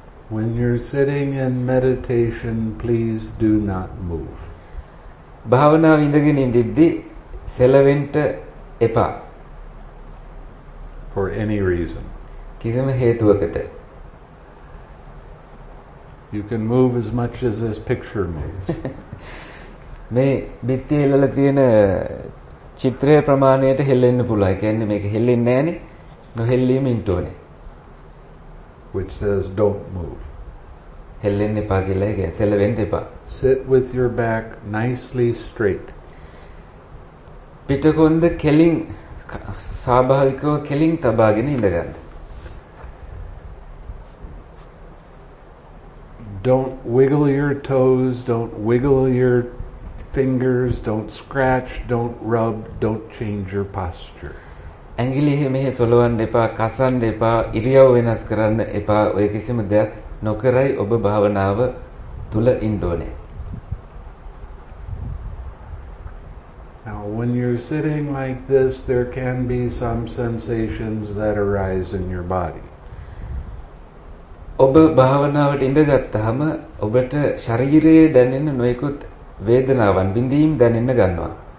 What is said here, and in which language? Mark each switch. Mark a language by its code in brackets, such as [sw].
[en] When you're sitting in meditation, please do not move. [si] භාවනාව ඉඳගෙන ඉඳිද්දී සෙලවෙන්ට එපා. [en] For any reason. [si] කිසිම හේතුවකට. [en] You can move as much as this picture moves. [si] මේ බිත්තියේ ඉල්ලලා තියෙන චිත්‍රයේ ප්‍රමාණයට හෙල්ලෙන්න පුළුවන්. ඒ කියන්නේ මේක හෙල්ලෙන්නේ නැහනේ. නොහෙල්ලීමින් තෝනේ. [en] Which says don't move. [si] හෙල්ලෙන්න එපා කියලා ඒක සෙලවෙන්ට එපා. [en] Sit with your back nicely straight. [si] පිටකොන්ද කෙලින් ස්වාභාවිකව කෙලින් තබාගෙන ඉඳගන්න. [en] Don't wiggle your toes, don't wiggle your fingers, don't scratch, don't rub, don't change your posture. [si] ඇඟිලි මෙහෙ සොලවන්න එපා, කසන්න එපා, ඉරියව් වෙනස් කරන්න එපා, ඔය කිසිම දෙයක් නොකරයි ඔබ භාවනාව තුල ඉන්න ඕනේ. [en] Now, when you're sitting like this, there can be some sensations that arise in your body. [si] ඔබ භාවනාවට ඉඳගත්තහම ඔබට ශරීරයේ දැනෙන නොයෙකුත් වේදනාවන් බින්දීම් දැනෙන්න ගන්නවා.